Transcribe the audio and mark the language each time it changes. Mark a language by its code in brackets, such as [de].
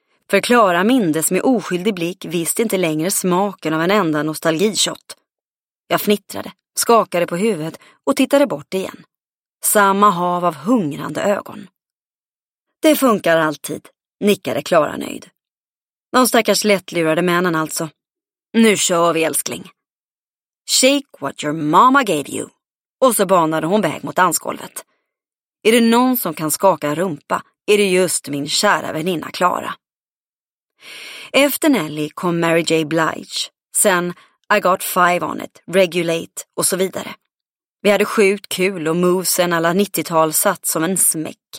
[sv] För Klara mindes med oskyldig blick visste inte längre smaken av en enda nostalgikött. Jag fnittrade, skakade på huvudet och tittade bort igen. Samma hav av hungrande ögon. Det funkar alltid, nickade Klara nöjd. De stackars lättlurade männen alltså. Nu kör vi, älskling. [en] Shake what your mama gave you. [sv] Och så banade hon väg mot dansgolvet. Är det någon som kan skaka rumpa är det just min kära väninna Klara. Efter Nelly kom Mary J. Blige. Sen [en] I got five on it, regulate [sv] och så vidare. Vi hade sjukt kul och movesen alla 90-tal satt som en smäck.